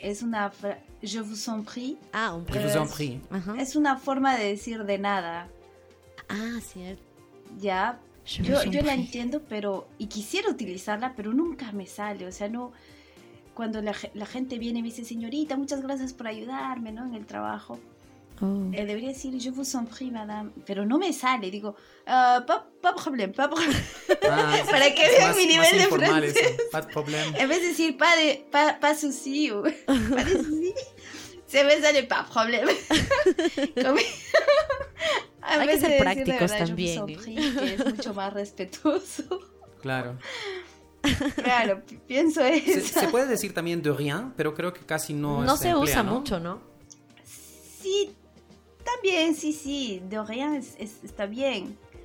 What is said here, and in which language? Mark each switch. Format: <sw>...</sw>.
<es>Es una frase,</es> <fr>je vous en prie. Ah, un prie. Je vous en prie.</fr> <es>Es una forma de decir de nada. Ah, cierto. Ya, yo la entiendo, pero, y quisiera utilizarla, pero nunca me sale, o sea, no, cuando la gente viene y me dice, señorita, muchas gracias por ayudarme, ¿no?, en el trabajo, debería decir,</es> <fr>je vous en prie, madame,</fr> <es>pero no me sale, digo,</es> <fr>pas problème, pas problème,</fr> <es>para que vean mi nivel de francés,</es> <fr>pas problème,</fr> <es>en vez de decir,</es> <fr>pas souci,</fr> <es>o</es> <fr>pas de souci,</fr> <es>se me sale</es> <fr>pas problème,</fr> <es>Hay que ser prácticos verdad, también. Que es mucho más respetuoso. Claro. Claro, pienso eso. Se puede decir también de rien, pero creo que casi no, no se emplea, usa ¿no? mucho, ¿no? Sí, también, sí, sí. De rien está bien.</es>